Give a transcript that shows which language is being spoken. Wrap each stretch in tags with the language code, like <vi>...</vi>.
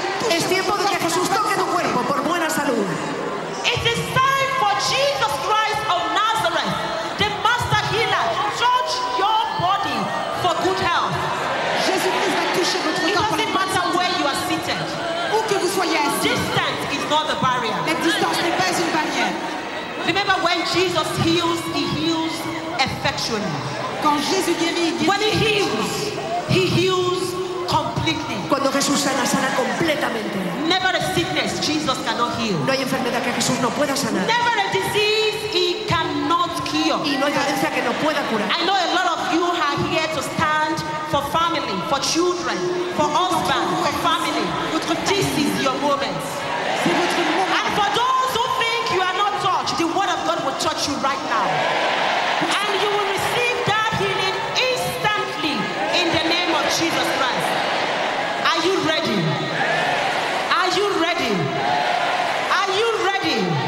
<es>Es tiempo de que Jesús toque tu cuerpo por buena salud.</es> <en>It is time for Jesus Christ of Nazareth, the master healer, to touch your body for good health.</en> <fr>Jésus-Christ va toucher votre corps.</fr> <en>It doesn't matter where you are seated.</en> <fr>Où que vous soyez.</fr> <en>Distance is not the barrier.</en> <fr>La distance n'est pas une barrière.</fr> <en>Remember when Jesus heals, he heals effectually.</en> <fr>Quand Jésus guérit, il guérit.</fr> <en>When he heals completely.</en> <es>Cuando Jesús sana, sana completamente.</es> <en>Never a sickness Jesus cannot heal.</en> <es>No hay enfermedad que Jesús no pueda sanar.</es> <en>Never a disease he cannot cure.</en> <es>Y no hay dolencia que no pueda curar.</es> <en>I know a lot of you are here to stand for family, for children, for husband, for family. This is your moment. And for those who think you are not touched, the word of God will touch you right now. And you will receive that healing instantly in the name of Jesus Christ. Are you ready? Are you ready? Are you ready?</en>